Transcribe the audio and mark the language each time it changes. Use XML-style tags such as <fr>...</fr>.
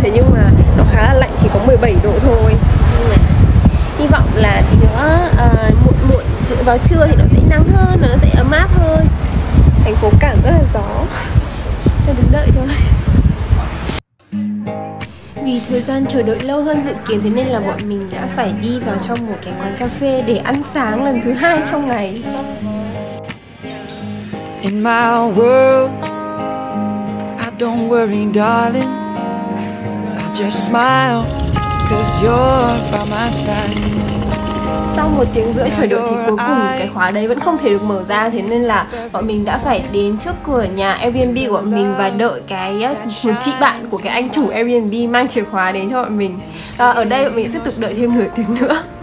<vi>Thế nhưng mà nó khá là lạnh, chỉ có 17 độ thôi. Hy vọng là tí nữa muộn dự vào trưa thì nó sẽ nắng hơn, nó sẽ ấm áp hơn. Thành phố cảng rất là gió, cho đứng đợi thôi. Vì thời gian chờ đợi lâu hơn dự kiến, thế nên là bọn mình đã phải đi vào trong một cái quán cà phê để ăn sáng lần thứ hai trong ngày.</vi> <en>In my world, I don't worry darling, just smile, cause you're by my side.</en> <vi>Sau một tiếng rưỡi chờ đợi thì cuối cùng cái khóa đấy vẫn không thể được mở ra. Thế nên là bọn mình đã phải đến trước cửa nhà Airbnb của bọn mình và đợi cái một chị bạn của cái anh chủ Airbnb mang chìa khóa đến cho bọn mình. Ở đây bọn mình tiếp tục đợi thêm nửa tiếng nữa.</vi>